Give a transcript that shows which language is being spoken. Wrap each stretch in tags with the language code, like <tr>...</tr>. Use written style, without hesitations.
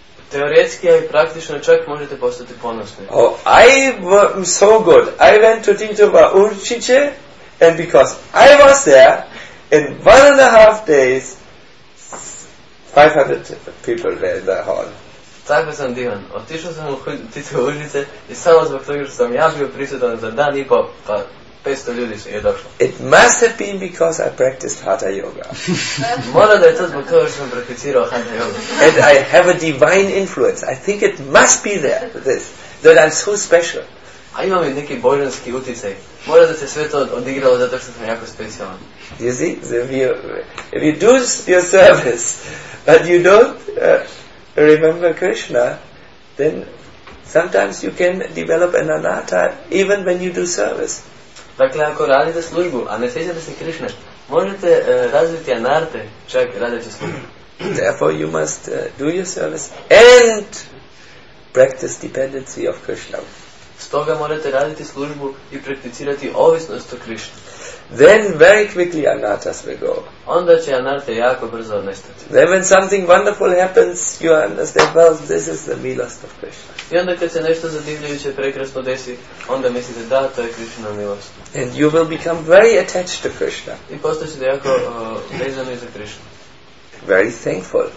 <hr>Teoretski i praktično čak možete postati ponosni.</hr> <en>Oh, I am so good. I went to Tintoba Určiće and because I was there in 1.5 days 500 people were in the hall.</en> <hr>Tako sam divan. Otišao sam u Tito Určiće i samo zbog toga što sam ja bio prisutan za dan i pol, pa 500 ljudi je došlo.</hr> <en>It must have been because I practiced Hatha Yoga.</en> <hr>Mora da je to zbog toga što sam prakticirao Hatha Yoga.</hr> <en>And I have a divine influence. I think it must be there, this, that I'm so special.</en> <hr>A imam i neki božanski utjecaj. Mora da se sve to odigralo zato što sam jako specijalan.</hr> <en>You see, if you do your service, but you don't remember Krishna, then sometimes you can develop an anatta even when you do service.</en> <hr>Dakle, ako radite službu, a ne sjećate se Krišne, možete razviti anarte čak radeći službu.</hr> <en>Therefore, you must do your service and practice dependency of Krishna.</en> <hr>Stoga morate raditi službu i prakticirati ovisnost o Krišni.</hr> <en>Then, very quickly, anartas will go.</en> <hr>Onda će anarte jako brzo nestati.</hr> <en>Then, when something wonderful happens, you understand, well, this is the milost of Krishna.</en> <hr>I onda kad se nešto zadivljujuće prekrasno desi, onda mislite da, to je Krishna milost.</hr> <en>And you will become very attached to Krishna.</en> <hr>I postaćete jako vezani za Krishna.</hr> <en>Very thankful.</en>